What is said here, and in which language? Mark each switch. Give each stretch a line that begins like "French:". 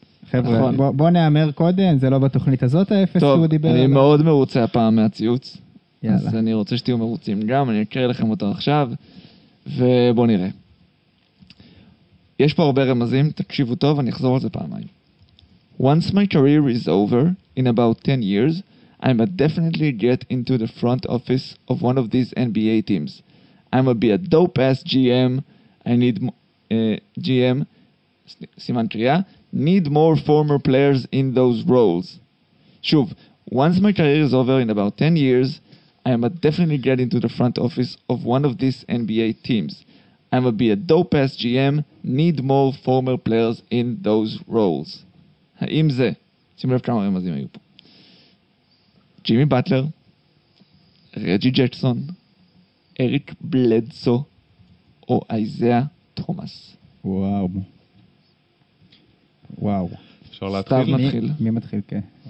Hebrew: חבר'ה, בוא נאמר קודם, זה לא בתוכנית הזאת האפס שהוא דיבר. טוב, אני מאוד מרוצה הפעם מהציוץ. יאללה. אז אני רוצה שתהיו מרוצים גם, אני אקרא לכם אותו עכשיו. ובוא נראה. יש פה הרבה רמזים, תקשיבו טוב, אני אחזור על זה פעמיים.
English: Once my career is over, in about 10 years, I'm a definitely get into the front office of one of these NBA teams. I'm a be a dope ass GM. I need GM.
Hebrew: סימן קריאה.
English: Need more former players in those roles.
Hebrew: שוב,
English: once my career is over in about 10 years, I'm a definitely get into the front office of one of these NBA teams. I'm a be a dope ass GM. Need more former players in those roles.
Hebrew: האם זה? שימו לב כמה רמזים היו פה. ג'ימי בטלר, רג'י ג'קסון, אריק בלדסו, או אייזיה תומאס. וואו. וואו. אפשר להתחיל? סתיו מתחיל. מי מתחיל, כן.